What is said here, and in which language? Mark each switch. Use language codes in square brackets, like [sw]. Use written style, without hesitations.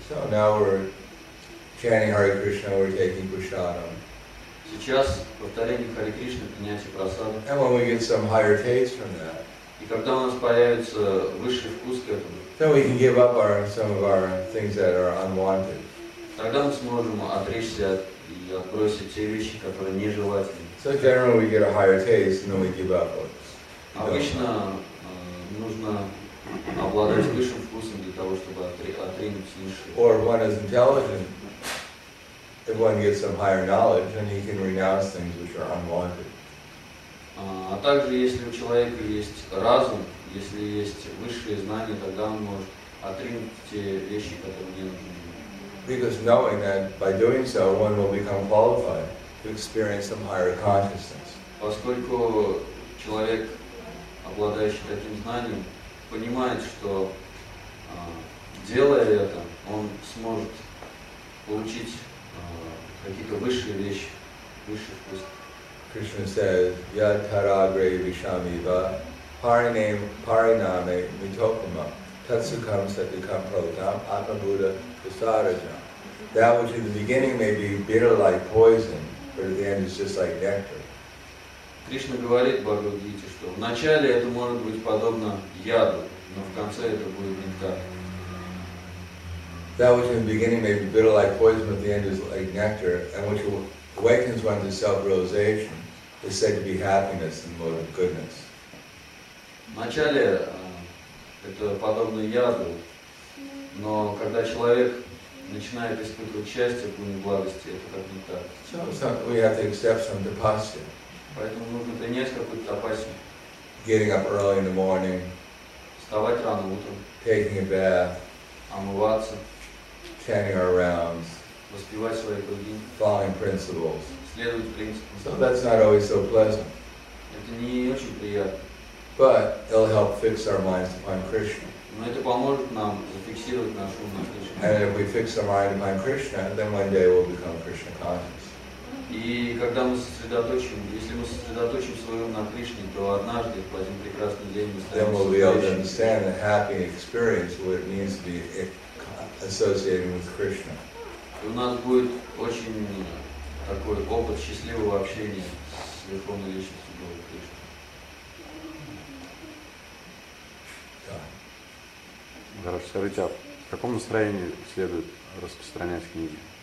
[en] So now we're chanting Hare Krishna, we're taking prasadam. [ru] Сейчас повторение Харе Кришны, принятие прасады. [en] And when we get some higher taste from that. [ru] И когда у нас появится высший вкус к этому. [en] Then we can give up some of our things that are unwanted. [ru] Тогда мы сможем отречься и отбросить те вещи, которые нежелательны. [en] So generally we get a higher taste and then we give up. [ru] Обычно нужно обладать высшим вкусом для того, чтобы отринуть низшее. [en] Or if one is intelligent, if one gets some higher knowledge, then he can renounce things which are unwanted. [ru] А также если у человека есть разум. Если есть высшие знания, тогда он может отринуть те вещи, которые не нужны. [en] Because knowing that by doing so one will become qualified to experience some higher consciousness. [ru] Поскольку человек, обладающий таким знанием, понимает, что делая это, он сможет получить какие-то высшие вещи, высшие вкусы. [en] Krishna says, [sa] Я тарагре вишамива. Pariname mitokama tatsukam satyakam prodham atmabuddha kasarajam. [en] That which in the beginning may be bitter like poison, but at the end it's just like nectar. [ru] Krishna говорит Бхагавад-гите, что вначале это может быть подобно яду, но в конце это будет нектар. [en] That which in the beginning may be bitter like poison, but at the end is like nectar, and which awakens one to self-realization, is said to be happiness and mode of goodness. [ru] Вначале это подобно яду, но когда человек начинает испытывать счастье, полную благости, это как не так. [en] We have to accept some tapasya. [ru] Поэтому нужно принять какую-то тапасию. [en] Getting up early in the morning. [ru] Вставать рано утром. [en] Taking a bath. [ru] Омываться. [en] Chanting our rounds. [ru] Воспевать свои круги. [en] Following principles. [ru] Следовать принципам. [en] So that's not always so pleasant. [ru] Это не очень приятно. [en] But it'll help fix our minds upon Krishna. [ru] Но это поможет нам зафиксировать наш ум на Кришне. [en] And if we fix our mind upon Krishna, then one day we'll become Krishna conscious. [ru] И когда мы сосредоточим, если мы сосредоточим свой ум на Кришне, то однажды в один прекрасный день мы станем. [en] Then we'll be able to understand the happy experience, what it means to be associated with Krishna. [ru] И у нас будет очень такой опыт счастливого общения с Верховной Личностью Бога Кришны. Гараж Сарытя, в каком настроении следует распространять книги?